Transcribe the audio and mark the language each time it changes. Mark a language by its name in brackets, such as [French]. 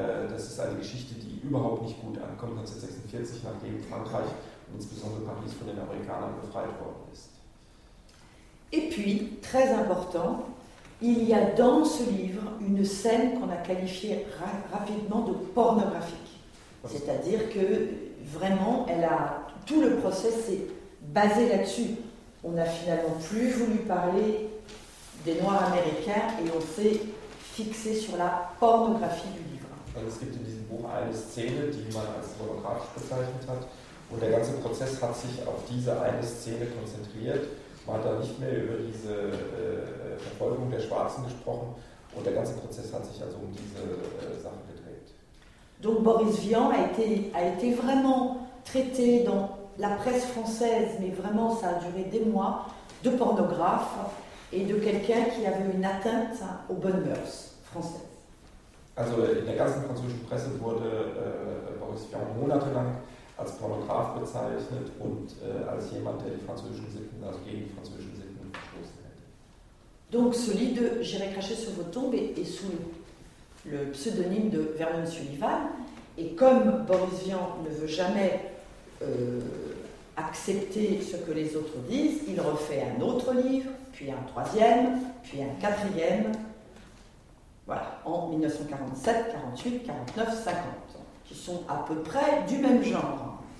[German] Das ist eine Geschichte, die überhaupt nicht gut ankommt, 1946, nachdem Frankreich und insbesondere Paris von den Amerikanern befreit worden ist. [French] Et puis, très important, il y a dans ce livre une scène qu'on a qualifiée rapidement de pornographique. C'est-à-dire que vraiment, elle a tout le process est basé là-dessus. On n'a finalement plus voulu parler des Noirs américains et on s'est fixé sur la pornographie du livre. [German] Es gibt in diesem Buch eine Szene, die man als pornografisch bezeichnet hat, und der ganze Prozess hat sich auf diese eine Szene konzentriert. Man hat da nicht mehr über diese Verfolgung der Schwarzen gesprochen und der ganze Prozess hat sich also um diese Sachen gedreht. [French] Donc Boris Vian a été vraiment traité dans la presse française, mais vraiment ça a duré des mois, de pornographe et de quelqu'un qui avait une atteinte aux bonnes mœurs françaises. [German] Also in der ganzen französischen Presse wurde Boris Vian monatelang als Pornograph bezeichnet und als jemand, der die französischen Sitten, also gegen die französischen Sitten verstoßen hätte. [French] Donc ce livre, J'irai cracher sur vos tombes, est sous le pseudonyme de Vernon Sullivan, et comme Boris Vian ne veut jamais accepter ce que les autres disent, il refait un autre livre, puis un troisième, puis un quatrième, voilà, en 1947, 48, 49, 50, qui sont à peu près du même genre.